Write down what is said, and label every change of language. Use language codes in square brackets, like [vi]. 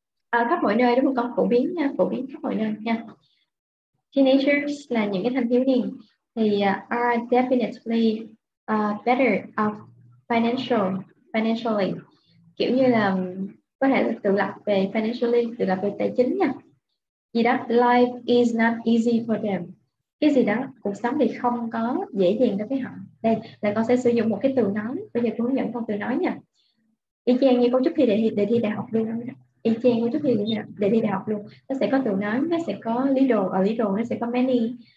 [vi] À, khắp mọi nơi đúng không? Phổ biến nha, phổ biến khắp mọi nơi nha. Teenagers là những cái thanh thiếu niên thì [en] are definitely better off financially. [vi] Kiểu như là có thể là tự lập về financially, tự lập về tài chính nha. Gì đó, [en] life is not easy for them. [vi] Cái gì đó, cuộc sống thì không có dễ dàng đối với họ. Đây là con sẽ sử dụng một cái từ nói, bây giờ con hướng dẫn con từ nói nha. Y chang như con chúc thi để thi đại học luôn đó. Y chang con chúc thi để thi đại học luôn. Nó sẽ có từ nói, nó sẽ có little, ở little nó sẽ có many.